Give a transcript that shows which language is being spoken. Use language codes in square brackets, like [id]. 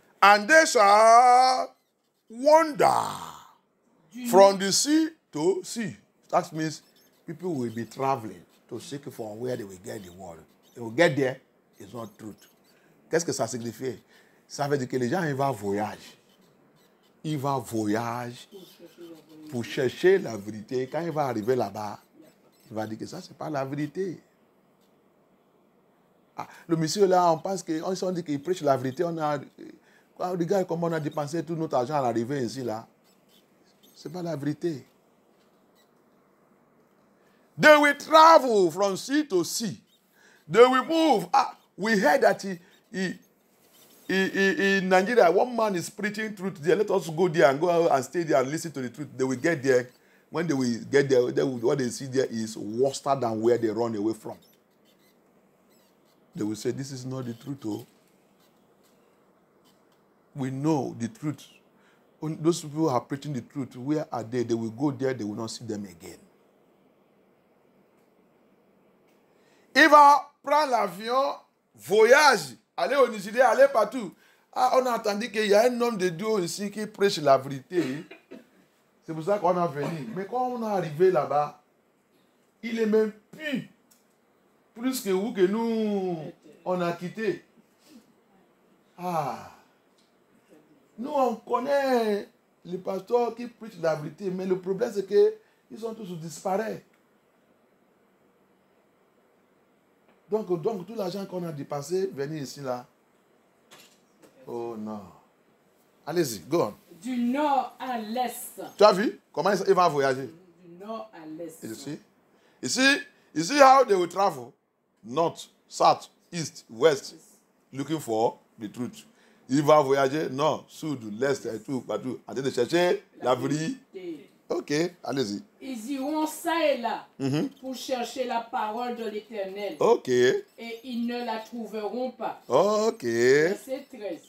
[en] And they shall wander from the sea to sea. That means people will be traveling to seek for where they will get the word. They will get there, it's not truth. [fr] Qu'est-ce que ça signifie? Ça veut dire que les gens, ils vont voyager pour chercher la vérité. Quand ils vont arriver là-bas, ils vont dire que ça, c'est pas la vérité. Ah, le monsieur là, on pense qu'on dit qu'il prêche la vérité. Regarde comment on a dépensé tout notre argent à l'arrivée ici là. C'est pas la vérité. [en] They will travel from sea to sea. They will move. Ah, we heard that in Nigeria, one man is preaching truth there. Let us go there and go and stay there and listen to the truth. They will get there. When they will get there, what they see there is worse than where they run away from. They will say, this is not the truth. Oh. We know the truth. When those people are preaching the truth, where are they? They will go there, they will not see them again. [fr] Eva, prends l'avion, voyage, allez au Nigeria, allez partout. Ah, on a entendu qu'il y a un homme de Dieu ici qui prêche la vérité. C'est pour ça qu'on a venu. Mais quand on est arrivé là-bas, il est même plus que vous que nous, on a quitté. Ah. Nous, on connaît les pasteurs qui prêchent la vérité, mais le problème, c'est qu'ils ont tous disparu. Donc, tout l'argent qu'on a dépensé, venir ici, là. Oh, non. Allez-y, [en] go on. [fr] Du nord à l'est. Tu as vu? Comment ils vont voyager? Du nord à l'est. [en] You see how they will travel? North, south, east, west, looking for the truth. [fr] Il va voyager, non, sud, l'est, et tout, partout, en train de chercher la vérité. Ok, allez-y. Ils iront ça et là pour chercher la parole de l'Éternel. Ok. Et ils ne la trouveront pas. Ok. Verset 13.